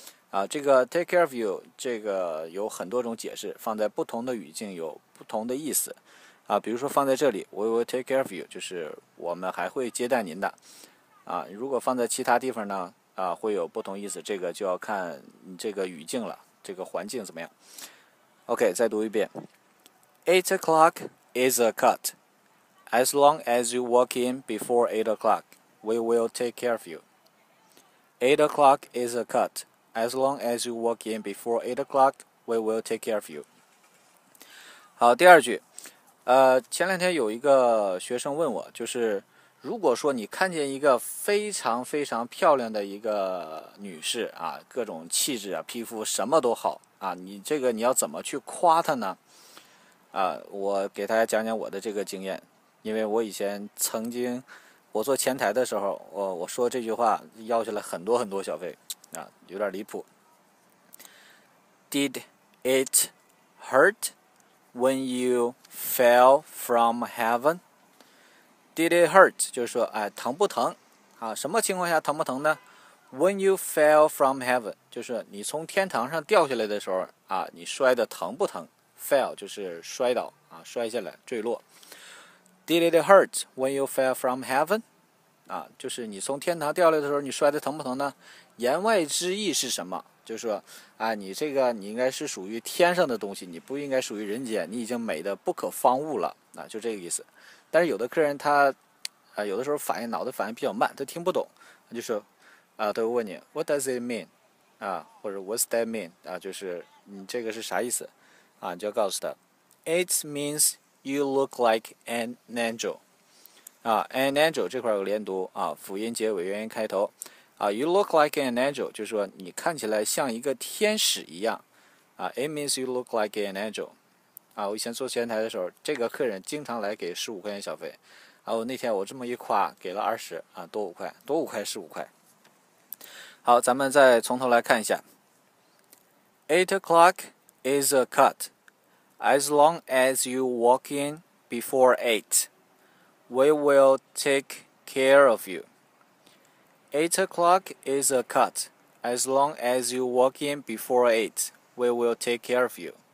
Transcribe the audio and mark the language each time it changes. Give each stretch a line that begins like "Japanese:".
Chinese: 啊，这个
English: take care of you
Chinese: 这个有很多种解释，放在不同的语境有不同的意思。啊，比如说放在这里 ，
English: we will take care of you，
Chinese: 就是我们还会接待您的。啊，如果放在其他地方呢，啊，会有不同意思，这个就要看你这个语境了，这个环境怎么样。
English: OK，
Chinese: 再读一遍
English: ，8 o'clock is a cut。 As long as you walk in before 8 o'clock, we will take care of you. 8 o'clock is a cut. As long as you walk in before 8 o'clock, we will take care of you.
Chinese: 好，第二句，前两天有一个学生问我，就是如果说你看见一个非常非常漂亮的一个女士啊，各种气质啊，皮肤什么都好啊，你这个你要怎么去夸她呢？啊，我给大家讲讲我的这个经验。因为我以前曾经，我做前台的时候，我说这句话要求了很多很多小费，啊，有点离谱。
English: Did it hurt when you fell from heaven? Did it hurt?
Chinese: 就是说，哎，疼不疼？啊，什么情况下疼不疼呢 ？
English: When you fell from heaven，
Chinese: 就是你从天堂上掉下来的时候，啊，你摔得疼不疼 ？Fell 就是摔倒，啊，摔下来，坠落。
English: Did it hurt when you fell from heaven?
Chinese: 啊，就是你从天堂掉下来的时候，你摔得疼不疼呢？言外之意是什么？就是说，啊，你这个你应该是属于天上的东西，你不应该属于人间，你已经美得不可方物了。啊，就这个意思。但是有的客人他，啊，有的时候反应脑子反应比较慢，他听不懂，就说，啊，他会问你
English: What does it mean? 啊，
Chinese: 或者
English: What's that mean?
Chinese: 啊，就是你这个是啥意思？
English: 啊，
Chinese: 你就要告诉他
English: ，It means。You look like an angel.
Chinese: 啊 ，
English: an angel
Chinese: 这块有连读啊，辅音结尾，元音开头。啊 ，
English: you look like an angel，
Chinese: 就是说你看起来像一个天使一样。
English: 啊 ，it means you look like an angel.
Chinese: 啊，我以前做前台的时候，这个客人经常来给15块钱小费。啊，我那天我这么一夸，给了20，啊，多5块，多5块15块。好，咱们再从头来看一下。
English: 8 o'clock is a cut. As long as you walk in before 8, we will take care of you. 8 o'clock is a cut. As long as you walk in before 8, we will take care of you.